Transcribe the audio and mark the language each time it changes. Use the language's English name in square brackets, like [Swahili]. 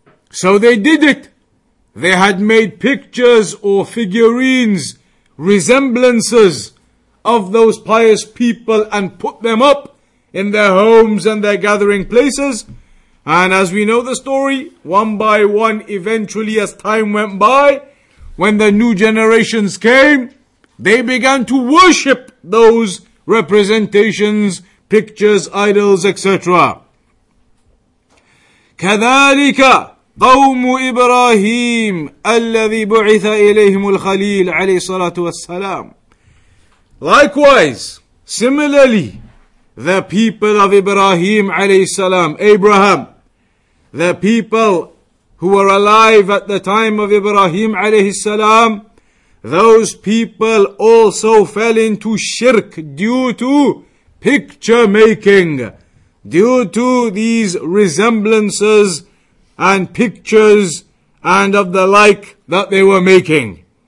[English] So they did it. They had made pictures or figurines, resemblances of those pious people and put them up in their homes and their gathering places. And as we know the story, one by one, eventually as time went by, when the new generations came, they began to worship those representations, pictures, idols, etc. [Arabic] كذلك قوم إبراهيم الذي بعث إليهم الخليل عليه الصلاة والسلام. [English] Likewise, similarly, the people of Ibrahim [Arabic] عليه السلام, [English] Abraham, the people who were alive at the time of Ibrahim alayhi salam, those people also fell into shirk due to picture making, due to these resemblances and pictures and of the like that they were making.